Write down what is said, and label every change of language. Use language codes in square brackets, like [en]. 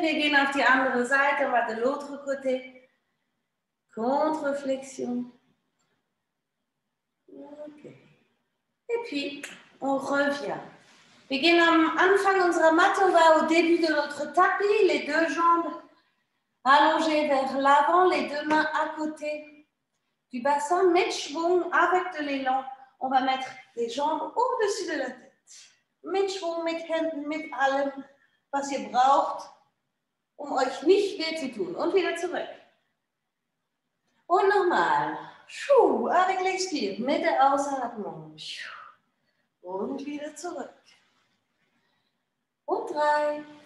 [de] Wir gehen auf die andere Seite. [fr] On va de l'autre côté. Contreflexion. Ok. Et puis, on revient. [de] Wir gehen am Anfang unserer Matte. [fr] On va au début de notre tapis. Les deux jambes allongées vers l'avant. Les deux mains à côté. Du bassin, [de] mit Schwung, [fr] avec de l'élan. On va mettre les jambes au-dessus de la tête. [de] Mit Schwung, mit Händen, mit allem, was ihr braucht, um euch nicht weh zu tun. Und wieder zurück. Und nochmal. Schuh, [fr] avec l'expire, [de] mit der Ausatmung. Und wieder zurück. Und drei.